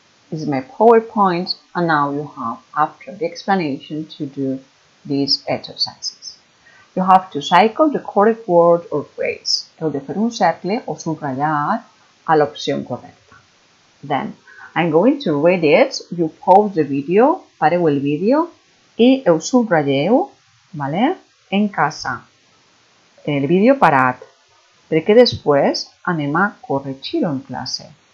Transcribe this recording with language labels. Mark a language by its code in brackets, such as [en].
[en] This is my PowerPoint, and now you have, after the explanation, to do these exercises. You have to cycle the correct word or phrase. [ca] Heu de fer un cercle o subratllar a l'opció correcta. [en] Then, I'm going to read it. You pause the video, [ca] pareu el vídeo, [es] y el subrayeo, ¿vale? En casa, en el vídeo parat, porque después [ca] anem a corregir-ho [es] en clase.